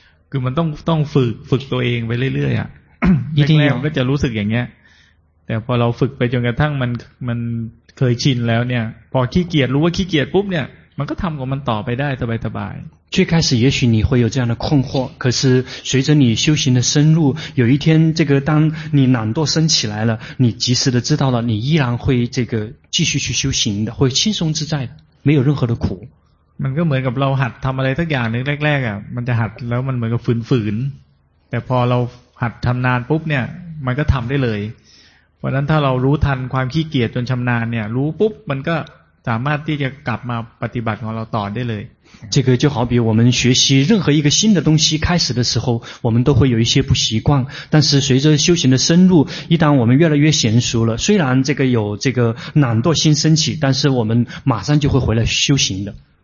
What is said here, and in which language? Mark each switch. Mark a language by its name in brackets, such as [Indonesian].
[Thai] คือมันต้องฝึกตัวเองไปเรื่อยๆอ่ะแรกๆก็จะรู้สึกอย่างเงี้ยแต่พอเราฝึกไปจนกระทั่งมันเคยชินแล้วเนี่ยพอขี้เกียจรู้ว่าขี้เกียจปุ๊บเนี่ยมันก็ทำกับมันต่อไปได้สบายๆ [Chinese] 最开始也许你会有这样的困惑可是随着你修行的深入有一天这个当你懒惰升起来了你及时的知道了你依然会这个继续去修行的会轻松自在的没有任何的苦 [Thai] มันก็เหมือนกับเราหัดทำอะไรสักอย่างนึงแรกๆอ่ะมันจะหัดแล้วมันเหมือนกับฝืนแต่พอเราหัดทำนานปุ๊บเนี่ยมันก็ทำได้เลยเพราะนั้นถ้าเรารู้ทันความขี้เกียจจนชำนาญเนี่ยรู้ปุ๊บมันก็สามารถที่จะกลับมาปฏิบัติของเราต่อได้เลย [Chinese] 这个就好比我们学习任何一个新的东西开始的时候我们都会有一些不习惯但是随着修行的深入一旦我们越来越娴熟了虽然这个有这个懒惰心升起但是我们马上就会回来修行的